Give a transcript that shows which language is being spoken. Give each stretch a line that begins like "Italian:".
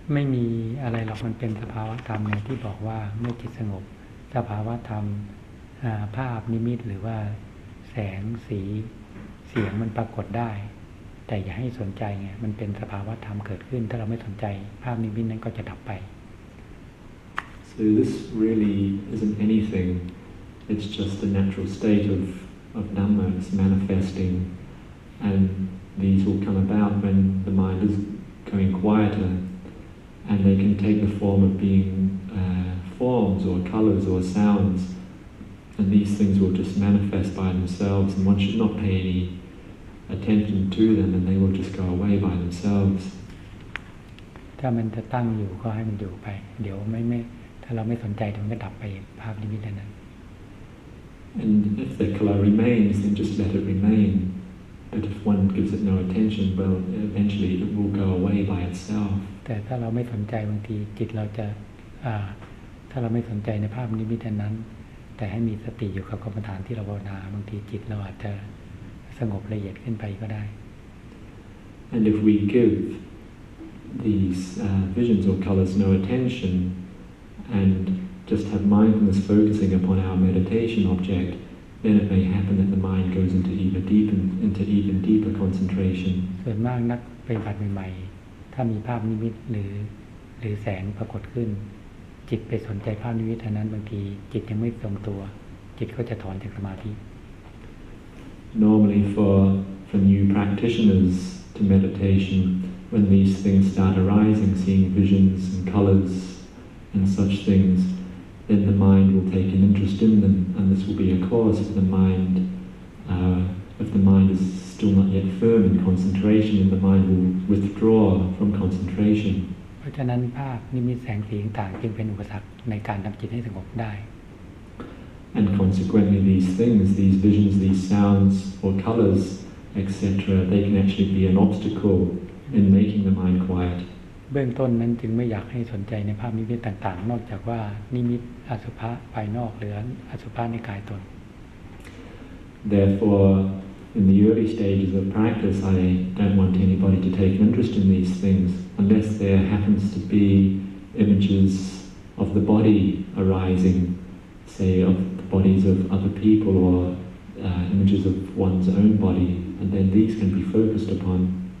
Thai: ไม่มีอะไรหรอกมันเป็นสภาวะธรรมในที่บอกว่าเมื่อจิตสงบสภาวะธรรมภาพนิมิตหรือว่าแสงสีเสียงมันปรากฏได้แต่อย่าให้สนใจไงมันเป็นสภาวะธรรมเกิดขึ้นถ้าเราไม่สนใจภาพนิมิตนั้นก็จะดับไป
English: So this really isn't anything. It's just the natural state of Dhamma is manifesting and these will come about when the mind is going quieter and they can take the form of being forms or colors or soundsAnd these things will just manifest by themselves, and one should not pay any attention to them, and they will just go away by themselves.
Thai: ถ้ามันจะตั้งอยู่ก็ให้มันอยู่ไปเดี๋ยวไม่ถ้าเราไม่สนใจมันก็ดับไปภาพนิมิตนั้น
English: And if the color remains, then just let it remain. But if one gives it no attention, well, eventually it will go away by itself.
Thai: แต่ถ้าเราไม่สนใจบางทีจิตเราจะถ้าเราไม่สนใจในภาพนิมิตนั้นแต่ให้มีสติอยู่กับกรรมฐานที่เราภาวนาบางทีจิตเราอาจจะสงบละเอียดขึ้นไปก็ได้
English: And if we give these visions or colors no attention and just have mindfulness focusing upon our meditation object then it may happen that the mind goes into even deeper concentration
Thai: ส่วนมากนักปฏิบัติใหม่ๆถ้ามีภาพนิมิตหรือแสงปรากฏขึ้นจิตไปสนใจภาพนิมิตนั้นบางทีจิตยังไม่ทรงตัวจิตก็จะถอนจากสมาธิ
English: Normally for new practitioners to meditation when these things start arising seeing visions and colors and such things then the mind will take an interest in them and this will be a cause of the mind if the mind is still not yet firm in concentration then the mind will withdraw from concentration
Thai: เพราะฉะนั้นภาพนิมิตแสงสีต่างๆจึงเป็นอุปสรรคในการทำจิตให้สงบได้
English: And consequently these things these visions these sounds or colors etc they can actually be an obstacle in making the mind quiet
Thai: เบื้องต้นนั้นจึงไม่อยากให้สนใจในภาพนิมิตต่างๆนอกจากว่านิมิตอสุภะภายนอกหรืออสุภะในกายตน
English: Therefore in the early stages of practice I don't want anybody to take interest in these thingsUnless there happens to be images of the body arising, say of the bodies of other people or images of one's own body, and then these can be focused upon.